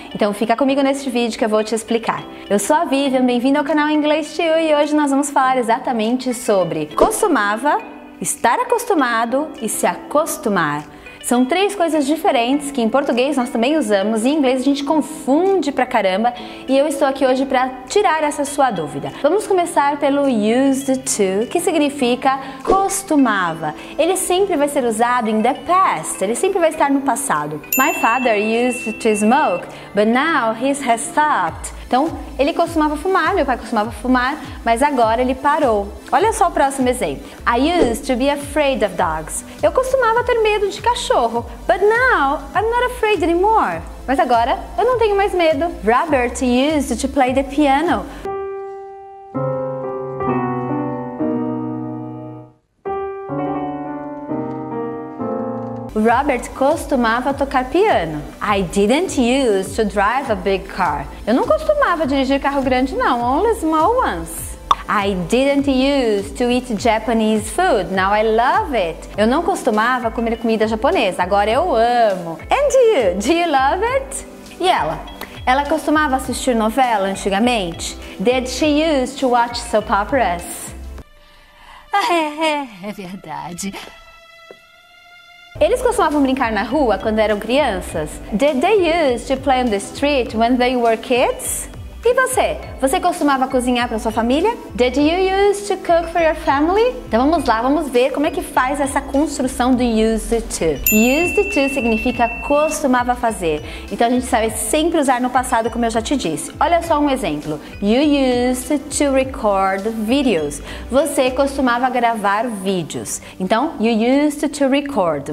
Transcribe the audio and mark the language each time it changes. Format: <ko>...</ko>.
<pt>Então fica comigo neste vídeo que eu vou te explicar. Eu sou a Vivian, bem-vindo ao canal Inglês Tio e hoje nós vamos falar exatamente sobre costumava, estar acostumado e se acostumar. São três coisas diferentes que em português nós também usamos e em inglês a gente confunde pra caramba e eu estou aqui hoje pra tirar essa sua dúvida. Vamos começar pelo used to, que significa costumava. Ele sempre vai ser usado</pt> <en>in the past,</en> <pt>ele sempre vai estar no passado.</pt> <en>My father used to smoke, but now he has stopped.</en> <pt>Então, ele costumava fumar, meu pai costumava fumar, mas agora ele parou. Olha só o próximo exemplo.</pt> <en>I used to be afraid of dogs.</en> <pt>Eu costumava ter medo de cachorro,</pt> <en>but now I'm not afraid anymore.</en> <pt>Mas agora eu não tenho mais medo.</pt> <en>Robert used to play the piano.</en> <pt>Robert costumava tocar piano.</pt> <en>I didn't use to drive a big car.</en> <pt>Eu não costumava dirigir carro grande não,</pt> <en>only small ones. I didn't use to eat Japanese food. Now I love it.</en> <pt>Eu não costumava comer comida japonesa, agora eu amo.</pt> <en>And you, do you love it?</en> <pt>E ela? Ela costumava assistir novela antigamente?</pt> <en>Did she use to watch soap operas?</en> <pt>É verdade. Eles costumavam brincar na rua quando eram crianças?</pt> <en>Did they used to play on the street when they were kids?</en> <pt>E você? Você costumava cozinhar para sua família?</pt> <en>Did you used to cook for your family?</en> <pt>Então vamos lá, vamos ver como é que faz essa construção do used to. Used to significa costumava fazer. Então a gente sabe sempre usar no passado, como eu já te disse. Olha só um exemplo.</pt> <en>You used to record videos.</en> <pt>Você costumava gravar vídeos. Então,</pt> <en>you used to record.</en>